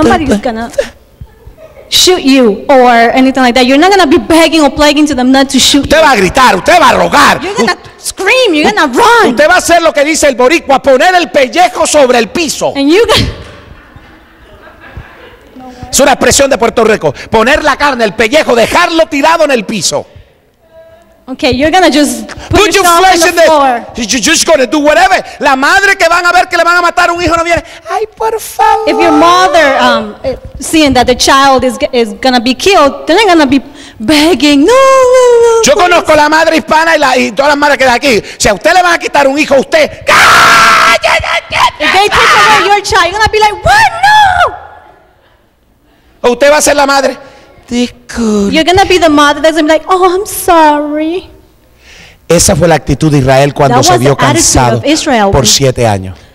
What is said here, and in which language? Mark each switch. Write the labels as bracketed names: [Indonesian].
[English] Somebody's gonna shoot you or anything like that. You're not gonna be begging or pleading to them not to shoot. [Spanish] Usted va a gritar, usted va a rogar. [English] Scream, you're gonna run. [Spanish] Usted va a hacer lo que dice el boricua, poner el pellejo sobre el piso. [English] And you got... [Spanish] Es una expresión de Puerto Rico. Poner la carne, el pellejo, dejarlo tirado en el piso. [English] Okay, you're gonna just put your flesh on the floor. You're just gonna do whatever. [Spanish] La madre que van a ver que le van a matar a un hijo no viene. Ay, por favor. [English] If your mother seeing that the child is gonna be killed, then they're gonna be begging. [Spanish] No, no, no. Yo [English] please. [Spanish] Conozco la madre hispana y todas las madres que están aquí. Si a usted le van a quitar un hijo, usted. ¡Ah! [English] If they take away your child, you're gonna be like, what? [Spanish] No. O usted va a ser la madre. Disculpe. [English] You're gonna be the mother that's gonna be like, oh, I'm sorry. [Spanish] Esa fue la actitud de Israel cuando [English] that [Spanish] se vio cansado por 7 años.